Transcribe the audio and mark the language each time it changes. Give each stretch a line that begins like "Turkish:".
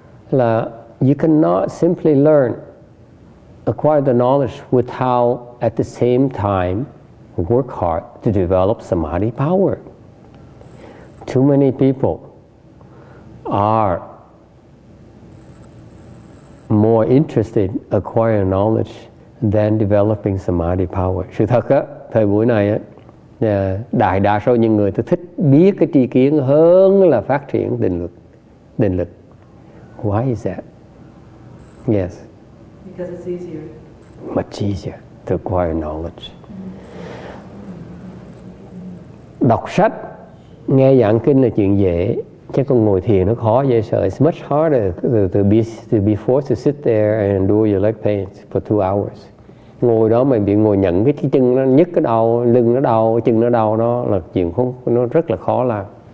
English: Là you cannot simply learn, acquire the knowledge without at the same time work hard to develop samadhi power. Too many people are more interested acquiring knowledge than developing samadhi power.
Vietnamese: Sự thật á, thời buổi này á, đại đa số những người tôi thích biết cái tri kiến hơn là phát triển định lực.
English: Why is that? Yes. Because it's easier. Much easier to acquire knowledge.
Vietnamese: Đọc sách, nghe giảng kinh là chuyện dễ, chứ còn ngồi thiền nó khó dễ sợ.
English: It's much harder to be forced to sit there and endure your leg pains for 2 hours.
Vietnamese: Ngồi đó mà bị ngồi nhận cái chân nó nhức, cái đau, lưng nó đau, chân nó đau, nó là chuyện không, nó rất là khó làm.